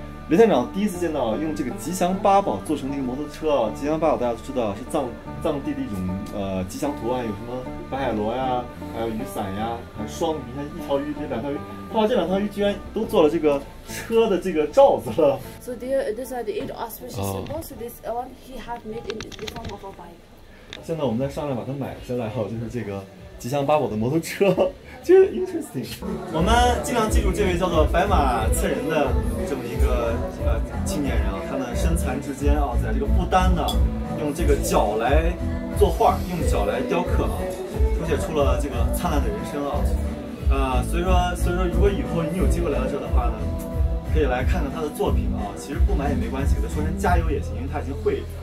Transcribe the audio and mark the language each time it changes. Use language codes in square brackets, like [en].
[zh] 雷探长第一次见到用这个吉祥八宝做成那个摩托车，吉祥八宝大家都知道是藏地的一种吉祥图案，有什么白海螺呀，还有雨伞呀，还有双鱼，像一条鱼，这两条鱼，后来这两条鱼居然都做了这个车的这个罩子了。 [en] So these are the eight auspicious symbols. So this one he have made in the form of a bike. [zh] 现在我们在商量把它买下来哈，就是这个吉祥八宝的摩托车。就是 interesting， 我们尽量记住这位叫做白马策人的这么一个青年人啊，他呢身残志坚啊，在这个不丹呢，用这个脚来作画，用脚来雕刻啊，谱写出了这个灿烂的人生啊，所以说如果以后你有机会来到这的话呢，可以来看看他的作品啊，其实不买也没关系，给他说声加油也行，因为他已经会。